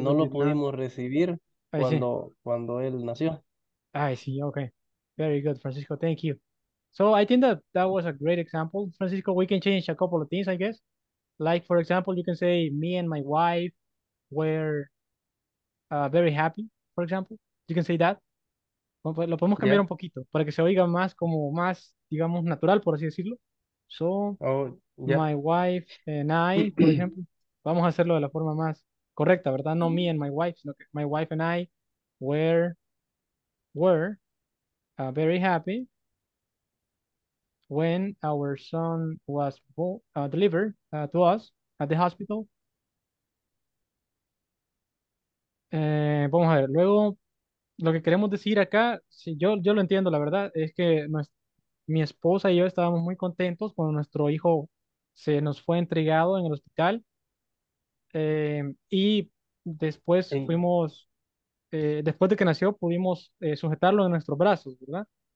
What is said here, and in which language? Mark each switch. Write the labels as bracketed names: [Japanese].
[Spanish] No lo pudimos recibir cuando él nació. [English] I see. Okay. Very good, Francisco. Thank you. So I think that was a great example. Francisco, we can change a couple of things, I guess. Like, for example, you can say, me and my wife were very happy, for example. You can say that. [Spanish] Lo podemos cambiar un poquito para que se oiga más como más, digamos, natural, por así decirlo. [English] So, my wife and I, [Spanish] por ejemplo, vamos a hacerlo de la forma más correcta, ¿verdad? [English] No me and my wife, [Spanish] sino que [English] my wife and I were very happy when our son was delivered to us at the hospital. [Spanish] Vamos a ver, luego... Lo que queremos decir acá, si yo lo entiendo, la verdad, es que mi esposa y yo estábamos muy contentos cuando nuestro hijo se nos fue entregado en el hospital. Y después fuimos, después de que nació, pudimos sujetarlo en nuestros brazos, ¿verdad?